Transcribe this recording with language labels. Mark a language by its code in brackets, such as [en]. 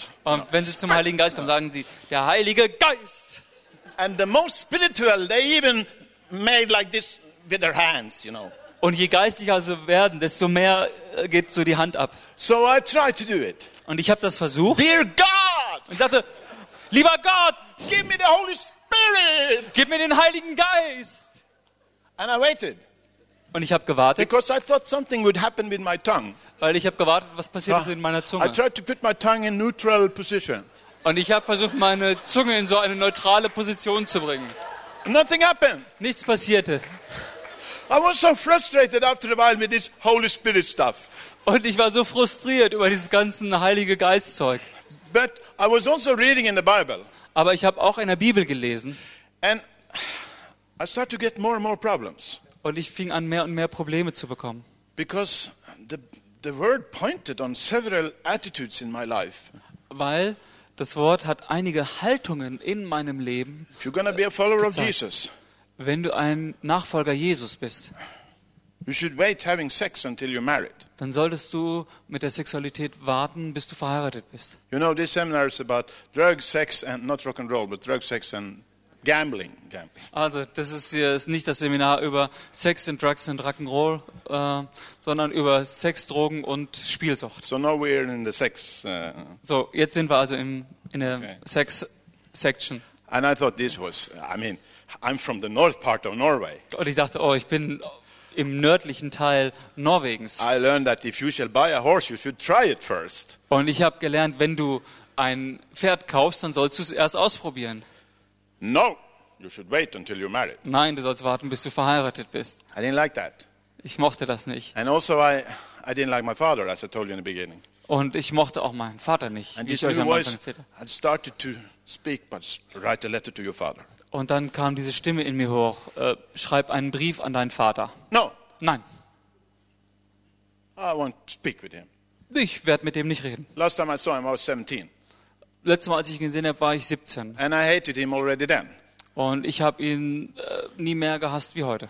[de] Und wenn sie zum Heiligen Geist kommen, sagen sie der Heilige Geist. [en] And the most spiritual, they even made like this. With their hands, you know. [de] Und je geistiger sie werden, desto mehr geht so die Hand ab. [en] So I tried to do it. [de] Und ich habe das versucht. [en] Dear God! [de] Und dachte, lieber Gott! [en] Give me the Holy Spirit! [de] Gib mir den Heiligen Geist! [en] And I waited. [de] Und ich habe gewartet. [en] Because I thought something would happen with my tongue. [de] Weil ich habe gewartet, was passiert so in meiner Zunge. [en] I tried to put my tongue in neutral position. [de] Und ich habe versucht, meine Zunge in so eine neutrale Position zu bringen. [en] Nothing happened. [de] Nichts passierte. [en] I was so frustrated after a while with this Holy Spirit stuff. [de] Und ich war so frustriert über dieses ganzen Heilige Geistzeug. [en] But I was also reading in the Bible. [de] Aber ich habe auch in der Bibel gelesen. [en] And I started to get more and more problems. [de] Und ich fing an mehr und mehr Probleme zu bekommen. [en] Because the word pointed on several attitudes in my life. [de] Weil das Wort hat einige Haltungen in meinem Leben. [en] If you're gonna be a follower of Jesus, [de] wenn du ein Nachfolger Jesus bist, [en] you should wait having sex until you're married. [de] Dann solltest du mit der Sexualität warten, bis du verheiratet bist. [en] You know, this seminar is about drugs, sex and not rock and roll, but drugs, sex and Gambling. [de] Also, das ist hier ist nicht das Seminar über Sex and Drugs and Rock'n'Roll, sondern über Sex, Drogen und Spielsucht. [en] So now we're in the sex. [de] So jetzt sind wir also in der okay. [en] Sex Section. And I thought this was, I mean, I'm from the north part of Norway. [de] Und ich dachte, oh, ich bin im nördlichen Teil Norwegens. [en] I learned that if you shall buy a horse, you should try it first. [de] Und ich habe gelernt, wenn du ein Pferd kaufst, dann sollst du es erst ausprobieren. [en] No, you should wait until you're married. [de] Nein, du sollst warten, bis du verheiratet bist. [en] I didn't like that. [de] Ich mochte das nicht. [en] And also I didn't like my father, as I told you in the beginning. [de] Und ich mochte auch meinen Vater nicht. [en] And this new voice I started to speak, but write a letter to your father. [de] Und dann kam diese Stimme in mir hoch: Schreib einen Brief an deinen Vater. [en] No. [de] Nein. [en] I won't speak with him. [de] Ich werde mit dem nicht reden. [en] Last time I saw him, I was 17. [de] Letztes Mal, als ich ihn gesehen habe, war ich 17. [en] And I hated him already then. [de] Und ich habe ihn nie mehr gehasst wie heute.